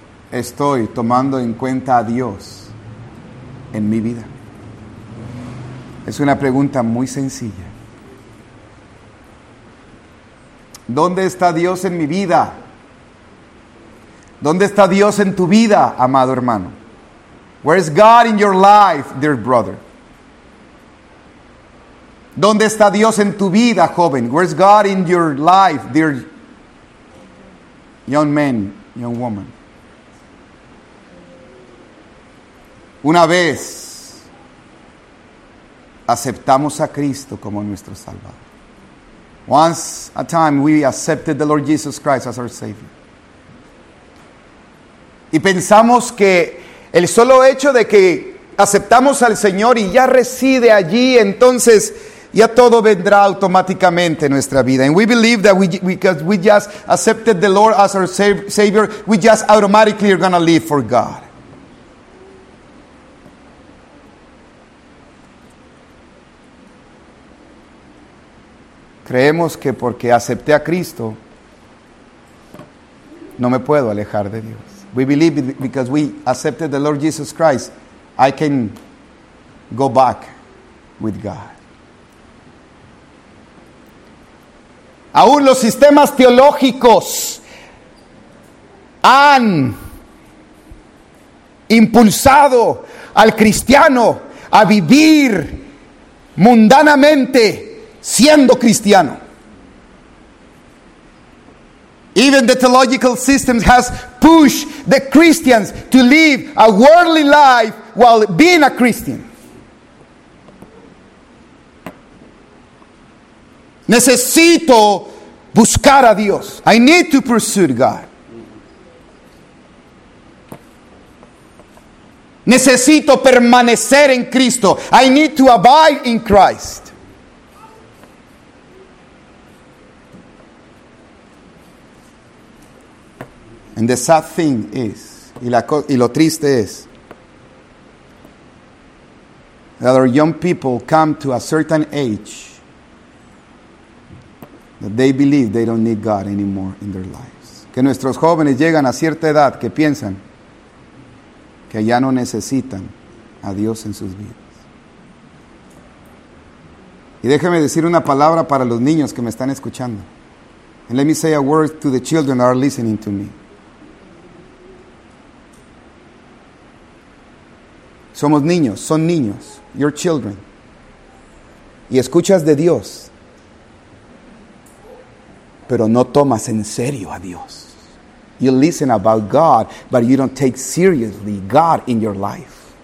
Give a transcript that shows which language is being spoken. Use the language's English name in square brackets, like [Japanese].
[Spanish] ¿Estoy tomando en cuenta a Dios en mi vida? Es una pregunta muy sencilla. ¿Dónde está Dios en mi vida? ¿Dónde está Dios en tu vida, amado hermano? [English] Where is God in your life, dear brother? [Spanish] ¿Dónde está Dios en tu vida, joven? [English] Where is God in your life, dear young man, young woman? [Spanish] Una vez aceptamos a Cristo como nuestro Salvador. [English] Once a time we accepted the Lord Jesus Christ as our Savior. [Spanish] Y pensamos que el solo hecho de que aceptamos al Señor y ya reside allí, entonces ya todo vendrá automáticamente en nuestra vida. [English] And we believe that because we just accepted the Lord as our Savior, we just automatically are going to live for God. [Spanish] Creemos que porque acepté a Cristo, no me puedo alejar de Dios. [English] We believe it because we accepted the Lord Jesus Christ, I can go back with God. [Spanish] Aún los sistemas teológicos han impulsado al cristiano a vivir mundanamente siendo cristiano. [English] Even the theological system has pushed the Christians to live a worldly life while being a Christian. [Spanish] Necesito buscar a Dios. [English] I need to pursue God. [Spanish] Necesito permanecer en Cristo. [English] I need to abide in Christ. And the sad thing is, [Spanish] y lo triste es, [English] that our young people come to a certain age that they believe they don't need God anymore in their lives. [Spanish] Que nuestros jóvenes llegan a cierta edad que piensan que ya no necesitan a Dios en sus vidas. Y déjeme decir una palabra para los niños que me están escuchando. [English] And let me say a word to the children that are listening to me. [Spanish] Somos niños, son niños, [English] your children. [Spanish] Y escuchas de Dios, pero no tomas en serio a Dios. [English] You listen about God, but you don't take seriously God in your life.